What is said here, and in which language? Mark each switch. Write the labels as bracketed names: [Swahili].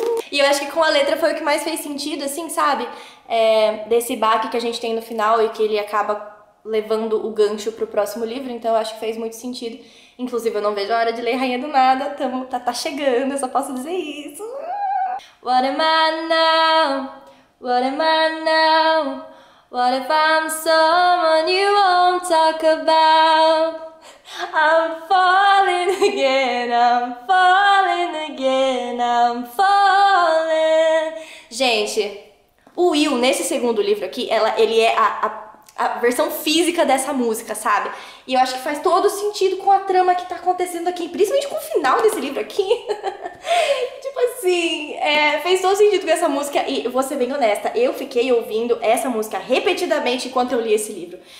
[Portuguese] E eu acho que com a letra foi o que mais fez sentido, assim, sabe? Desse baque que a gente tem no final e que ele acaba levando o gancho pro próximo livro, então eu acho que fez muito sentido. Inclusive, eu não vejo a hora de ler Rainha do Nada, tá chegando, eu só posso dizer isso. [English] What am I now? What am I now? What if I'm someone you won't talk about? I'm falling again, I'm falling again, I'm falling. [Portuguese] Gente, o Will, nesse segundo livro aqui, ele é a versão física dessa música, sabe? E eu acho que faz todo sentido com a trama que tá acontecendo aqui, principalmente com o final desse livro aqui. Tipo assim, fez todo sentido com essa música e vou ser bem honesta, eu fiquei ouvindo essa música repetidamente enquanto eu li esse livro.